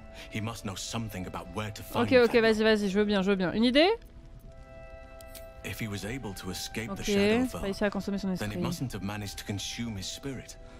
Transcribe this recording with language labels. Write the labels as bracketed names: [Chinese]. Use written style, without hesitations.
[English] He must know something about where to find. [French] OK, OK, vas-y, vas-y, je veux bien, je veux bien. Une idée? [English] If he was able to escape the shadow [French] fell, réussir à consommer son esprit. [English] Then he mustn't have managed to consume his spirit.